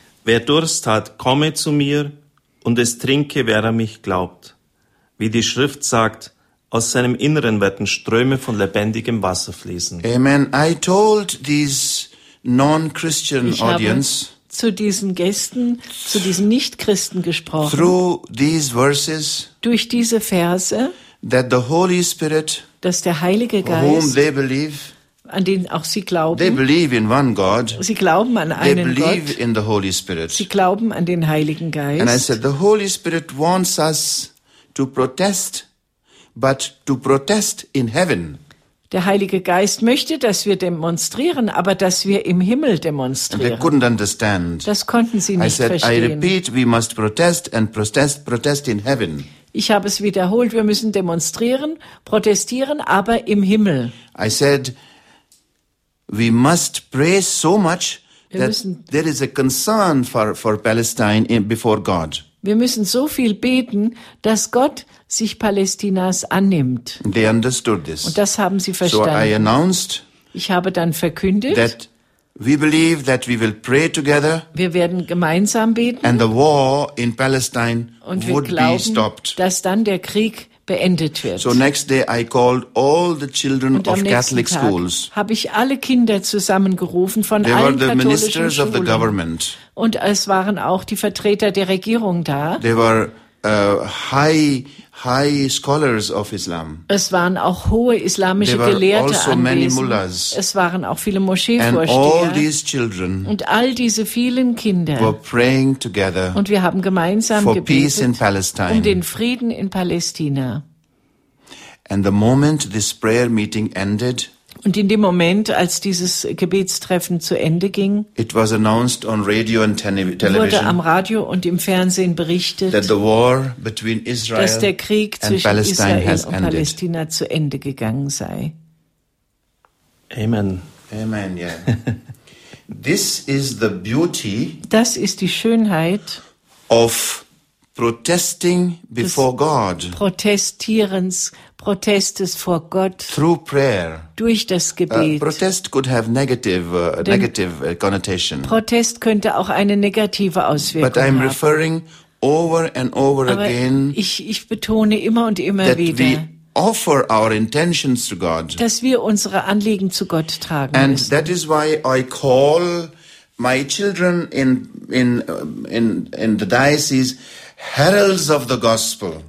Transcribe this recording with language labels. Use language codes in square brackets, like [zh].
[de] Wer Durst hat, komme zu mir und es trinke, wer an mich glaubt. Wie die Schrift sagt, aus seinem Inneren werden Ströme von lebendigem Wasser fließen. Amen. [en] I told these non-Christian audience. [de] Ich habe zu diesen Gästen, zu diesen Nicht-Christen gesprochen. [en] Through these verses. [de] Durch diese Verse. [en] That the Holy Spirit. [de] Dass der Heilige Geist. [en] Whom they believe. [de] An den auch sie glauben. [en] They believe in one God. [de] Sie glauben an einen Gott. [en] They believe [de] Gott, [en] in the Holy Spirit. [de] Sie glauben an den Heiligen Geist. [en] And I said, the Holy Spirit wants us to protest, but to protest in heaven. [de] Der Heilige Geist möchte, dass wir demonstrieren, aber dass wir im Himmel demonstrieren. [en] They couldn't understand. [de] Das konnten sie nicht verstehen. [en] I said, I repeat, we must protest and protest in heaven. [de] Ich habe es wiederholt, wir müssen demonstrieren, protestieren, aber im Himmel. [en] I said, we must pray so much that there is a concern for Palestine before God. [de] Wir müssen so viel beten, dass Gott sich Palästinas annimmt. [en] They understood this. [de] Und das haben sie verstanden. [en] So I announced, [de] ich habe dann verkündet, [en] that we believe that we will pray together, [de] wir werden gemeinsam beten, [en] and the war in Palestine [de] und [en] would [de] wir glauben, [en] be stopped. [de] Dass dann der Krieg beendet wird. [en] So next day I called all the children of Catholic schools. [de] Habe ich alle Kinder zusammengerufen von allen katholischen Schulen. [en] They were the ministers of the government. [de] Und es waren auch die Vertreter der Regierung da. [en] They were high scholars of Islam. [de] Es waren auch hohe islamische Gelehrte anwesend. Es waren auch viele Moscheevorsteher. Und all diese vielen Kinder [en] were praying together. [de] Und wir haben gemeinsam [en] for [de] gebetet [en] peace in Palestine. [de] Um den Frieden in Palästina. [en] And the moment this prayer meeting ended, [de] und in dem Moment, als dieses Gebetstreffen zu Ende ging, [en] it was announced on radio and television, [de] wurde am Radio und im Fernsehen berichtet, [en] that the war between Israel, [de] dass der Krieg zwischen Palestine Israel und Palästina zu Ende gegangen sei. [en] Amen. Amen, yeah. This is the beauty, [de] das ist die Schönheit [en] of protesting before God. [de] Protestierens, Protestes vor Gott. [en] Through prayer. [de] Durch das Gebet. [en] Protest could have negative connotation. [de] Protest könnte auch eine negative Auswirkung haben. [en] But I'm referring over and over again. [de] Ich betone immer und immer wieder. [en] That we offer our intentions to God. [de] Dass wir unsere Anliegen zu Gott tragen [en] and [de] müssen. [en] That is why I call my children in the diocese heralds of the gospel.